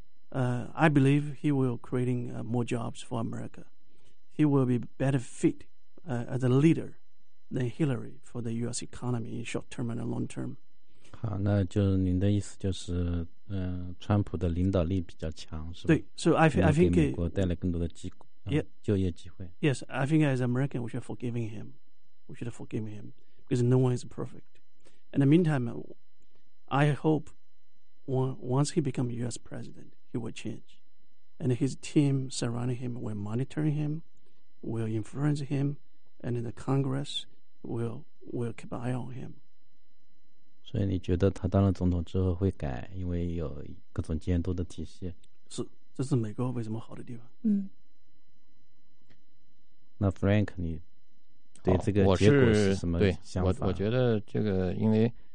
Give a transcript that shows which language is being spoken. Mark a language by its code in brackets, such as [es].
[en] I believe he will creating more jobs for America， he will be better fit as a leader than Hillary for the US economy in short term and long term。 [zh] 好，那就您的意思就是川普的领导力比较强是吧？对，所、 [en] so、 [zh] 以 [en] I think [zh] 给美国带来更多的机构、 [en] yeah, [zh] 就业机会。 [en] Yes, I think as American we should forgive him because no one is perfect. In the meantime, I hope once he becomes US president, he will change, and his team surrounding him will monitor him, will influence him, and in the Congress will keep eye on him. [zh] 所以你觉得他当了总统之后会改，因为有各种监督的体系。是，这是美国为什么好的地方。嗯。那 Frank， 你对这个结果是什么想法？对，我觉得这个，因为